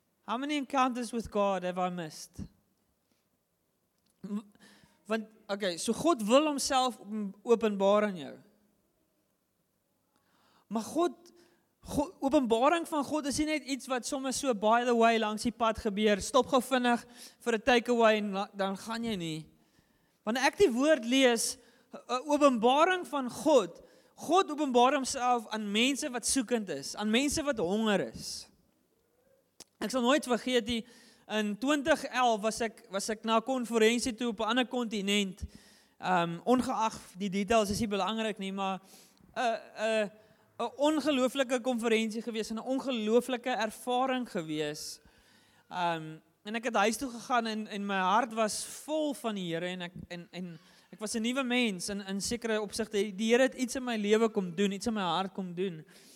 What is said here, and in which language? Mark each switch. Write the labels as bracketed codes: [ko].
[en] How many encounters with God have I missed? [af] Want okay, so God wil homself openbaar aan jou. Maar God, openbaring van God is nie net iets wat soms so [en] by the way [af] langs die pad gebeur, stop gou vinnig vir 'n takeaway en dan gaan jy nie. Wanneer ek die woord lees, openbaring van God. God openbaar homself aan mense wat soekend is, aan mense wat honger is. Ek sal nooit vergeet die, in 2011 was ek na konferensie toe op 'n ander kontinent, ongeag die details is nie belangrik nie, maar 'n ongelooflike konferensie gewees, en 'n ongelooflike ervaring gewees, en ek het huis toe gegaan, en my hart was vol van die Here, en ek was 'n nuwe mens, in sekere opsigte, die Here het iets in my lewe kom doen, iets in my hart kom doen,